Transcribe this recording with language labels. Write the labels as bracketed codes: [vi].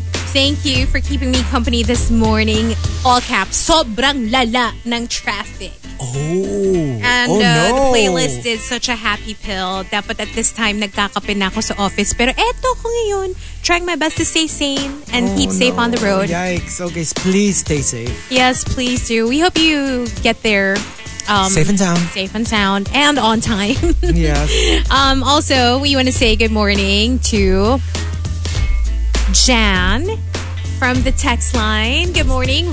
[en] Thank you for keeping me company this morning. [tl] All caps, sobrang lala ng traffic. [en] Oh, no. The playlist is such a happy pill. [tl] Dapat [en] at this time, [tl] nagkakape na ako sa office. Pero eto ko ngayon, [en] trying my best to stay sane and keep safe on the road. Yikes. Okay, please stay safe. Yes, please do. We hope you get there. Safe and sound. And on time. Yes. Also, we want to say good morning to Jan from the text line. Good morning.